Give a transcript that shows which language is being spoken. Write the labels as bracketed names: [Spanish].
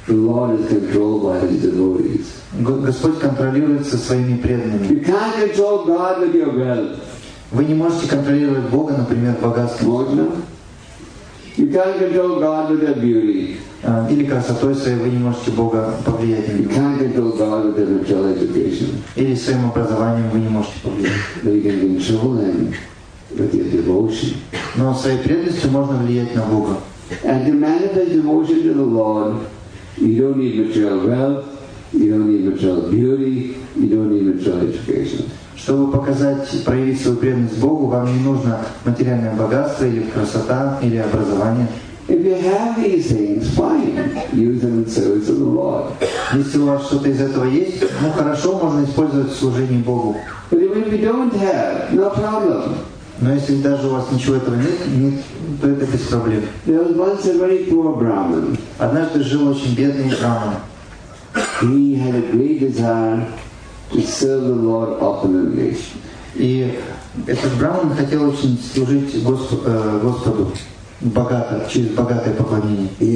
[English] The Lord is controlled by his devotees. [Russian] Господь контролируется своими преданными. [English] You can't control God with your wealth. [Russian] Вы не можете контролировать Бога, например, богатством. Можно? [English] You can't control God with your beauty. [Russian] Или красотой своей вы не можете Бога повлиять на него. [English] You can't control God with your material education. [Russian] Или своим образованием вы не можете повлиять. [English] But you can control him with your devotion. [Russian] Но своей преданностью можно влиять на Бога. [English] And to manifest devotion to the Lord, you don't need material wealth, you don't need material beauty, you don't need material education. [Russian] Чтобы показать, проявить свою преданность Богу, вам не нужно материальное богатство или красота, или образование. [English] If you have these things, fine. Use them in service of the Lord. [Russian] Если у вас что-то из этого есть, ну хорошо, можно использовать в служении Богу. [English] But even if you don't have, no problem. [Russian] Но если даже у вас ничего этого нет, нет, то это без проблем. [English] There was once a very poor Brahmin. [Russian] Однажды жил очень бедный Брахман. [English] He had a great desire to serve the Lord openly. [Russian] И этот Брахман хотел очень служить Господу. Богато, через богатое поклонение.